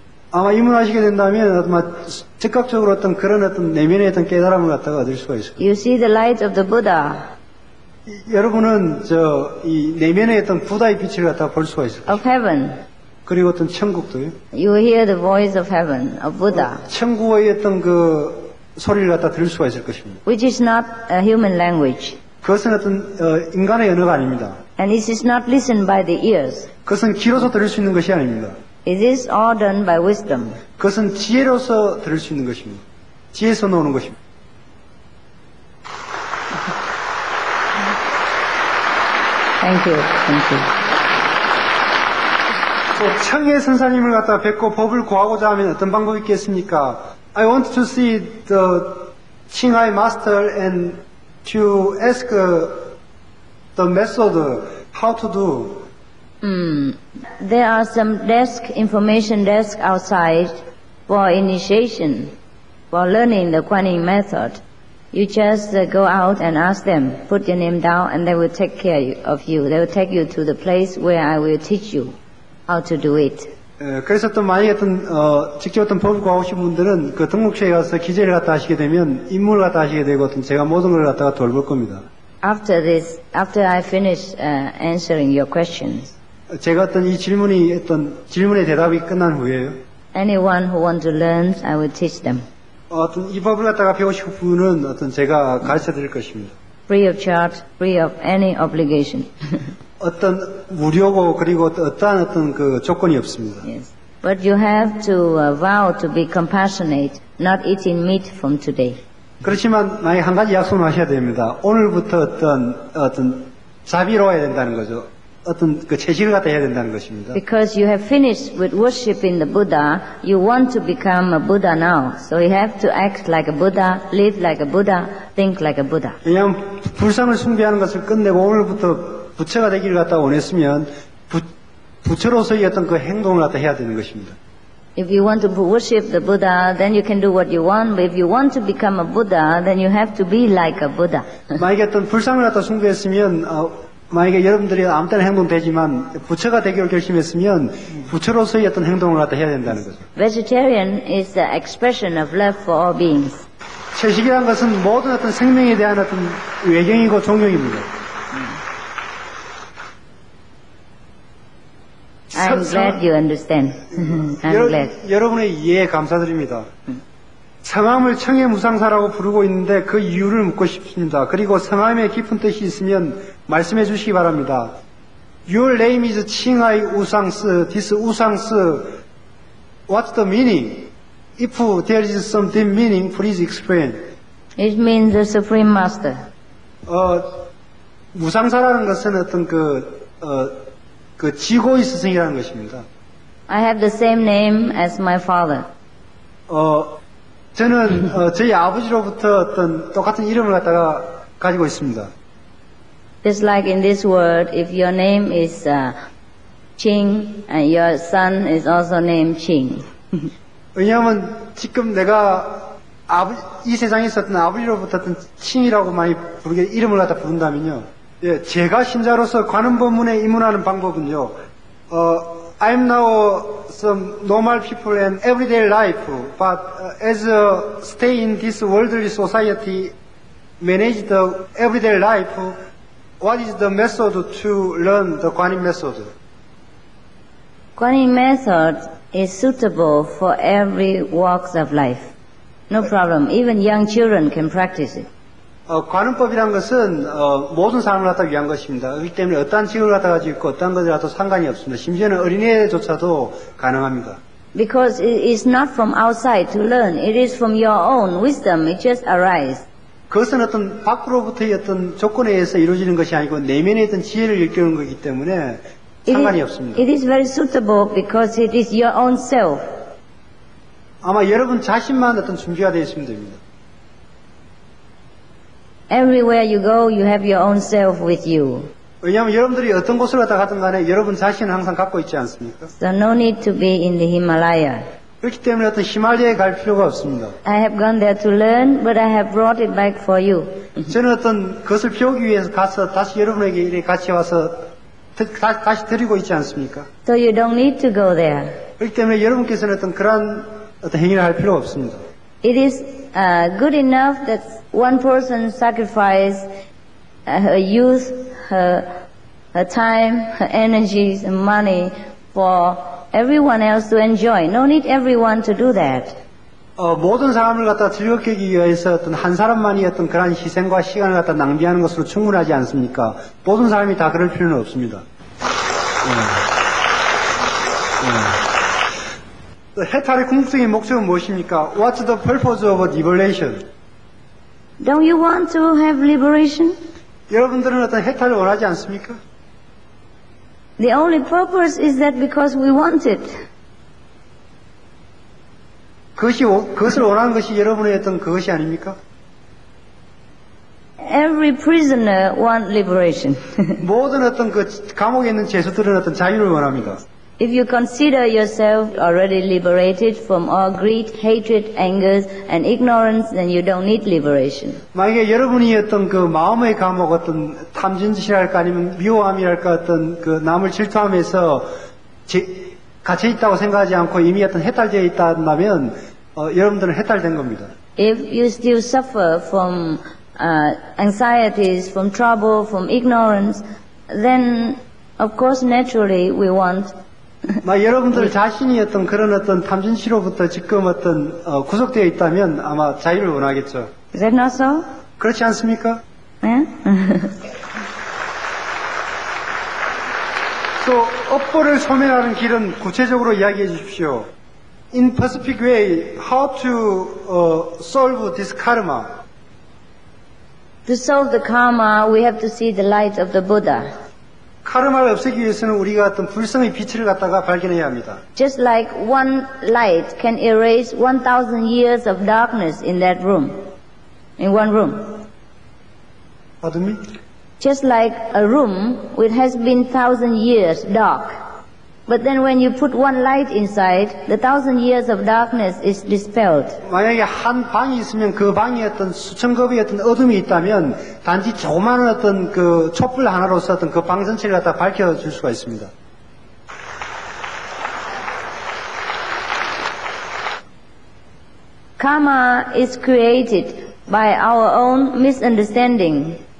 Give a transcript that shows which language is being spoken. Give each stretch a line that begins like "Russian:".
Korean: 아마 입문하시게 된다면 아마 즉각적으로 어떤 그런 어떤 내면의 어떤 깨달음을 갖다가 얻을 수가 있어요.
English: You see the light of the Buddha.
Korean: 여러분은 저 이 내면의 어떤 부다의 빛을 갖다가 볼 수가 있어요.
English: Of heaven.
Korean: 그리고 어떤 천국도요.
English: You will hear the voice of heaven, of Buddha.
Korean: 천국의 어떤 그 소리를 갖다 들을 수가 있을 것입니다.
English: Which is not a human language.
Korean: 그것은 어떤 인간의 언어가 아닙니다.
English: And it is not listened by the ears.
Korean: 그것은 귀로서 들을 수 있는 것이 아닙니다.
English: It is all done by wisdom.
Korean: 그것은 지혜로서 들을 수 있는 것입니다. 지혜에서 나오는 것입니다.
English: Thank you. Thank you.
Korean: 청해 선사님을 갖다 뵙고 법을 구하고자 하면 어떤 방법이 있겠습니까?
English: I want to see the Qinghai master and to ask the method how to do. There are some desk, information desk outside for initiation, for learning the Kuan Yin method. You just go out and ask them, put your name down, and they will take care of you. They will take you to the place where I will teach you how to do it.
Korean: 그래서 또 만약에 어떤 직접 어떤 법을 구하고 싶은 분들은 그 등록처에 가서 기재를 갖다 하시게 되면 임무를 갖다 하시게 되고 어떤 제가 모든 걸 갖다가 돌볼 겁니다.
English: After this, after I finish answering your questions.
Korean: 제가 어떤 이 질문이 어떤 질문의 대답이 끝난 후에요.
English: Anyone who wants to learn, I will teach them.
Korean: 어떤 이 법을 갖다가 배우고 싶은 분은 어떤 제가 가르쳐 드릴 것입니다.
English: Free of charge, free of any obligation.
Korean: 어떤 무료고 그리고 어떠한 어떤 그 조건이 없습니다.
English: Yes. But you have to vow to be compassionate, not eating meat from today.
Korean: 그렇지만 만약 한 가지 약속을 하셔야 됩니다. 오늘부터 어떤 자비로워야 된다는 거죠. 어떤 그 채식을 갖다 해야 된다는 것입니다.
English: Because you have finished with worshiping the Buddha, you want to become a Buddha now. So you have to act like a Buddha, live like a Buddha, think like a Buddha.
Korean: 왜냐하면 불상을 숭배하는 것을 끝내고 오늘부터 부처가 되기를 갖다 원했으면 부처로서의 어떤 그 행동을 갖다 해야 되는 것입니다.
English: If you want to worship the Buddha, then you can do what you want. But if you want to become a Buddha, then you have to be like a Buddha.
Korean: 만약에 어떤 불상을 갖다 숭배했으면 만약에 여러분들이 아무 때나 행동 되지만 부처가 되기를 결심했으면 부처로서의 어떤 행동을 갖다 해야 된다는 거죠.
English: Vegetarian is the expression of love for all beings.
Korean: 채식이란 것은 모든 어떤 생명에 대한 어떤 외경이고 존경입니다.
English: I'm glad you understand. I'm glad.
Korean: 여러분의 이해에 감사드립니다. 성함을 청해 무상사라고 부르고 있는데 그 이유를 묻고 싶습니다. 그리고 성함에 깊은 뜻이 있으면 말씀해 주시기 바랍니다.
English: Your name is 칭하이 우상스. This 우상스. What's the meaning? If there is some deep meaning, please explain. It means the Supreme Master.
Korean: 무상사라는 것은 어떤 그 지고 있으신이라는 것입니다.
English: I have the same name as my father.
Korean: 저는 저희 아버지로부터 어떤 똑같은 이름을 갖다가 가지고 있습니다.
English: Just like in this world, if your name is Qing, and your son is also named Qing.
Korean: 왜냐하면 지금 내가 이 세상에 있었던 아버지로부터 어떤 칭이라고 많이 부르게 이름을 갖다 부른다면요. 예, 제가 신자로서 관음법문에 입문하는 방법은요.
English: I'm now some normal people in everyday life, but as a stay in this worldly society, manage the everyday life, what is the method to learn the Guanyin method? Guanyin method is suitable for every walks of life. No problem. Even young children can practice it.
Korean: 관음법이란 것은 모든 사람을 갖다 위한 것입니다. 그렇기 때문에 어떤 직업을 갖다 가지고 있고 어떤 것이라도 상관이 없습니다. 심지어는 어린애조차도 가능합니다.
English: Because it is not from outside to learn. It is from your own wisdom. It just arises.
Korean: 그것은 어떤 밖으로부터의 어떤 조건에 의해서 이루어지는 것이 아니고 내면의 어떤 지혜를 일깨우는 것이기 때문에 상관이 없습니다.
English: It is very suitable because it is your own self.
Korean: 아마 여러분 자신만 어떤 준비가 되어 있으면 됩니다.
English: Everywhere you go, you have your own self with you.
Korean: 왜냐하면 여러분들이 어떤 곳을 갔다 가든 간에 여러분 자신은 항상 갖고 있지 않습니까?
English: So no need to be in the Himalaya.
Korean: 그렇기 때문에 어떤 히말라야에 갈 필요가 없습니다.
English: I have gone there to learn, but I have brought it back for you.
Korean: 저는 어떤 것을 배우기 위해서 가서 다시 여러분에게 같이 와서 다시 드리고 있지 않습니까?
English: So you don't need to go there.
Korean: 그렇기 때문에 여러분께서는 어떤 그런 어떤 행위를 할 필요가 없습니다.
English: It is good enough that one person sacrifices her youth, her time, her energies, and money for everyone else to enjoy. No need everyone to do that.
Korean: 모든 사람을 갖다 즐겁게 하기 위해서 어떤 한 사람만이 어떤 그런 희생과 시간을 갖다 낭비하는 것으로 충분하지 않습니까? 모든 사람이 다 그럴 필요는 없습니다. 해탈의 궁극적인 목적은 무엇입니까?
English: What's the purpose of liberation? Don't you want to have liberation?
Korean: 여러분들은 어떤 해탈을 원하지 않습니까?
English: The only purpose is that because we want it.
Korean: 그것을 원하는 것이 여러분의 어떤 그것이 아닙니까?
English: Every prisoner wants liberation.
Korean: 모든 어떤 그 감옥에 있는 죄수들은 어떤 자유를 원합니다.
English: If you consider yourself already liberated from all greed, hatred, anger, and ignorance, then you don't need liberation.
Korean: 만약에 여러분이 어떤 그 마음의 감옥, 어떤 탐진심이랄까 아니면 미워함이랄까 어떤 그 남을 질투함에서 갇혀 있다고 생각하지 않고 이미 어떤 해탈되어 있다면 여러분들은 해탈된 겁니다.
English: If you still suffer from anxieties, from trouble, from ignorance, then of course naturally we want
Korean: 여러분들 자신이 어떤 그런 어떤 탐진치로부터 지금 어떤 구속되어 있다면 아마 자유를 원하겠죠.
English: Is that not so?
Korean: 그렇지 않습니까?
English: Yeah?
Korean: So, 업보를 소멸하는 길은 구체적으로 이야기해 주십시오.
English: In specific way, how to solve this karma? To solve the karma, we have to see the light of the Buddha.
Korean: 카르마를 없애기 위해서는 우리가 어떤 불성의 빛을 갖다가 발견해야 합니다.
English: Just like one light can erase 1,000 years of darkness in that room, in one room. Pardon me? Just like a room which has been 1,000 years dark, but then when you put one light inside, the 1,000 years of darkness is dispelled.
Korean: 만약에 한 방이 있으면 그 방에 어떤 수천 겹의 어떤 어둠이 있다면 단지 조그만 어떤 그 촛불 하나로서 어떤 그 방 전체를 갖다 밝혀줄 수가 있습니다.
English: Karma is created by our own misunderstanding.